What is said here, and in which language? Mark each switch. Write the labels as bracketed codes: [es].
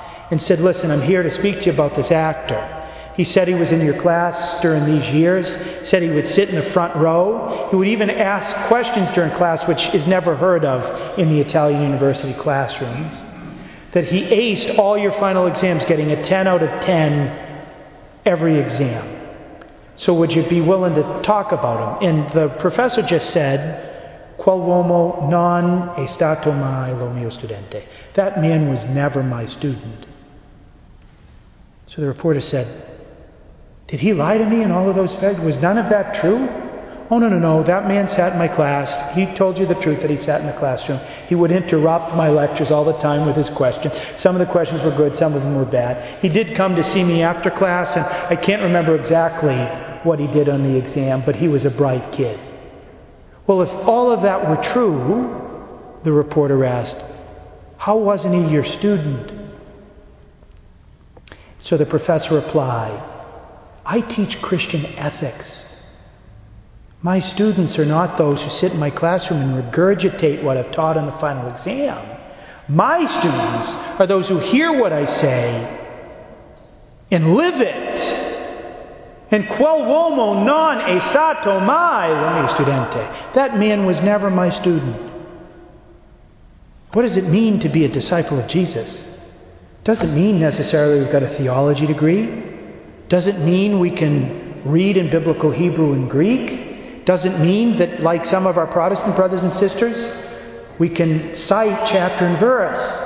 [en] and said, "Listen, I'm here to speak to you about this actor. He said he was in your class during these years, said he would sit in the front row. He would even ask questions during class, which is never heard of in the Italian university classrooms. That he aced all your final exams, getting a 10 out of 10 every exam. So would you be willing to talk about him?" And the professor just said, [it] "Quel uomo non è stato mai lo mio studente." [en] That man was never my student. So the reporter said, "Did he lie to me in all of those feds? Was none of that true?" "Oh, no, no, no. That man sat in my class. He told you the truth that he sat in the classroom. He would interrupt my lectures all the time with his questions. Some of the questions were good. Some of them were bad. He did come to see me after class, and I can't remember exactly what he did on the exam, but he was a bright kid." "Well, if all of that were true," the reporter asked, "how wasn't he your student?" So the professor replied, "I teach Christian ethics. My students are not those who sit in my classroom and regurgitate what I've taught on the final exam. My students are those who hear what I say and live it. And [it] quel uomo non è stato mai lo mio studente. [en] That man was never my student." What does it mean to be a disciple of Jesus? Doesn't mean necessarily we've got a theology degree. Doesn't mean we can read in biblical Hebrew and Greek. Doesn't mean that, like some of our Protestant brothers and sisters, we can cite chapter and verse.